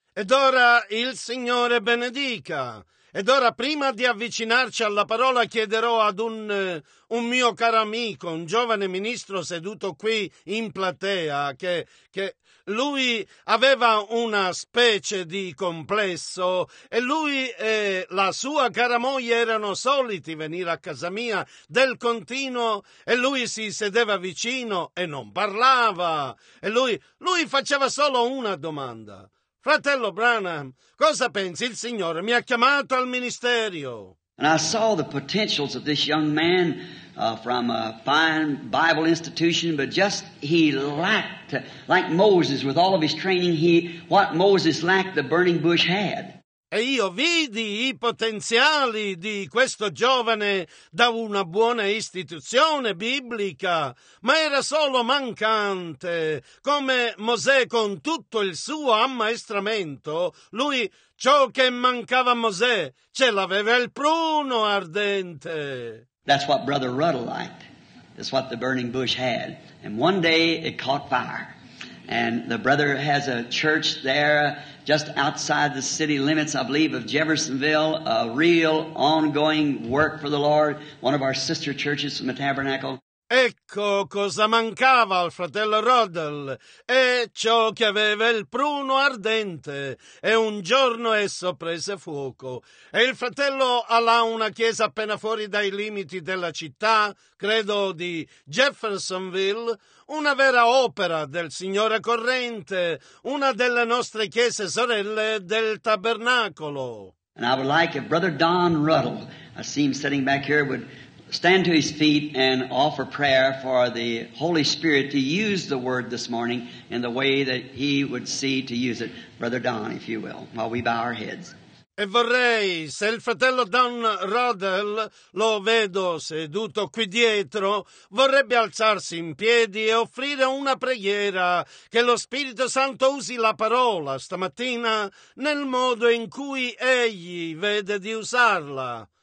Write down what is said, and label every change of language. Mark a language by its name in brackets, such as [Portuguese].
[Italian] Ed ora il Signore benedica. Ed ora, prima di avvicinarci alla parola, chiederò ad un mio caro amico, un giovane ministro seduto qui in platea, che lui aveva una specie di complesso, e lui e la sua cara moglie erano soliti venire a casa mia del continuo, e lui si sedeva vicino e non parlava, e lui faceva solo una domanda. Fratello Branham, cosa pensi? Il Signore mi ha chiamato al ministerio. [English] And I saw the potentials of this young man from a fine Bible institution, but just he lacked, like Moses with all of his training, what Moses lacked, the burning bush had. [Italian] E io vidi i potenziali di questo giovane da una buona istituzione biblica, ma era solo mancante. Come Mosè, con tutto il suo ammaestramento, lui ciò che mancava a Mosè ce l'aveva il pruno ardente. [English] That's what Brother Ruddle liked. That's what the burning bush had. And one day it caught fire. And the brother has a church there just outside the city limits, I believe, of Jeffersonville, a real ongoing work for the Lord, one of our sister churches from the Tabernacle. [Italian] Ecco cosa mancava al fratello Roddell, e ciò che aveva il pruno ardente, e un giorno esso prese fuoco. E il fratello ha là una chiesa appena fuori dai limiti della città, credo di Jeffersonville, una vera opera del Signore corrente, una delle nostre chiese sorelle del Tabernacolo. [English] And I would like if Brother Don Ruddell, I see him sitting back here, would stand to his feet and offer prayer for the Holy Spirit to use the word this morning in the way that he would see to use it. Brother Don, if you will, while we bow our heads. [Italian] E vorrei, se il fratello Don Ruddell, lo vedo seduto qui dietro, vorrebbe alzarsi in piedi e offrire una preghiera che lo Spirito Santo usi la parola stamattina nel modo in cui egli vede di usarla.